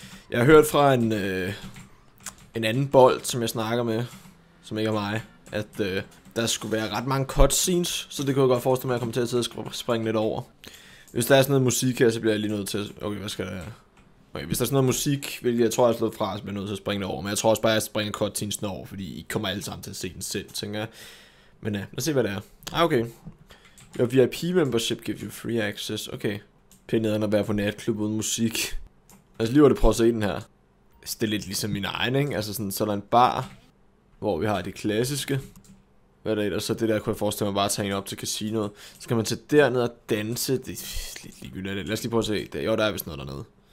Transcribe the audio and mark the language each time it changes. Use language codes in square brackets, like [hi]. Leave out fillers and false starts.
[da] Jeg har hørt fra en anden bold, som jeg snakker med, som ikke er mig, at der skulle være ret mange cutscenes, så det kunne jeg godt forestille mig, at jeg kommer til at sidde og springe lidt over. Hvis der er sådan noget musik her, så bliver jeg lige nødt til at... Okay, hvad skal der... Okay, hvis der er sådan noget musik, hvilket jeg tror, jeg er slået fra, så bliver jeg nødt til at springe over. Men jeg tror også bare, at jeg springer cutscenes over, fordi I kommer alle sammen til at se den selv, tænker jeg. Men ja, lad os se, hvad det er. Ah, okay. [en] Your VIP membership gives you free access. [da] Okay. Pænt nederen at være på natklub uden musik. Altså lige var det prøve at se den her. Det er lidt ligesom min egen, ikke? Altså sådan, så er der en bar, hvor vi har det klassiske. Hvad er det? Og så det der, kunne jeg forestille mig bare at tage en op til casinoet. Så kan man tage derned og danse. Det er lidt ligegyldigt. Lad os lige prøve at se. Jo, der er vist noget dernede.